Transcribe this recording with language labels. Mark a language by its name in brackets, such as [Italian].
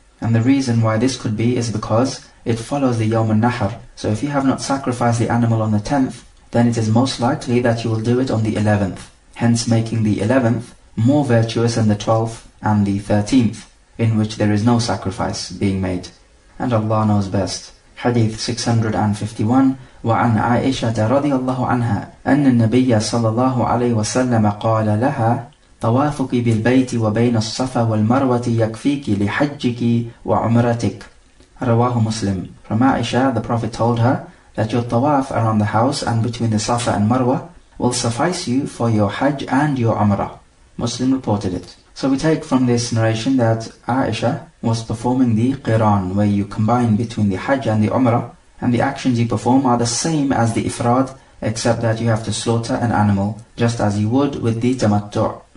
[English] And the reason why this could be is because it follows the Yawm al-Nahr. So if you have not sacrificed the animal on the 10th, then it is most likely that you will do it on the 11th. Hence making the 11th more virtuous than the 12th and the 13th, in which there is no sacrifice being made. And Allah knows best. Hadith 651. [Arabic] وعن عائشة رضي الله عنها أن النبي صلى الله عليه وسلم قال لها طوافك بالبيت وبين الصفا والمروة يكفيك لحجك وعمرتك. رواه مسلم. [English] From Aisha, the Prophet told her that your tawaf around the house and between the Safa and Marwa will suffice you for your Hajj and your Umrah. Muslim reported it. So we take from this narration that Aisha was performing the Qiran, where you combine between the Hajj and the Umrah, and the actions you perform are the same as the Ifrad, except that you have to slaughter an animal, just as you would with the Tamattu'.